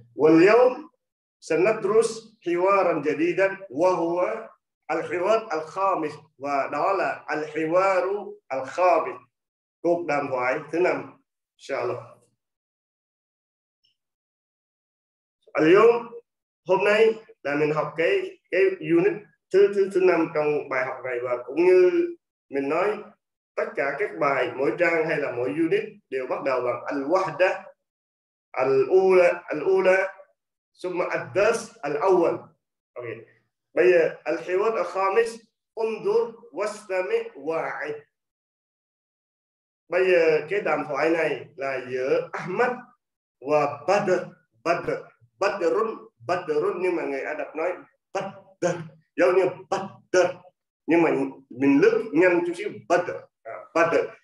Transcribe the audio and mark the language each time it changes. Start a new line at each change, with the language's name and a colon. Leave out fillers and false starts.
Arabic: Wal-yawm, سندرس حوارا جديدا وهو الحوار الخامس وده على الحوار الخامس
Vietnamese: cuộc đàm thoại thứ năm
Arabic: إن شاء الله. اليوم
Vietnamese: hôm nay là mình học cái unit thứ năm trong bài học này, và cũng như mình nói, tất cả các bài, mỗi trang hay là mỗi unit đều bắt đầu bằng
Arabic: الوحدة الأولى ثم الدرس الأول.
English: Okay.
Arabic: بيا الحوار الخامس انظر واستمع واعي.
Vietnamese: بيا cái đàm thoại này là giữa Ahmad và Badr, nhưng mà người Ả Rập nói Badr giống như Badr, nhưng mà mình lướt nhanh chút xíu Badr.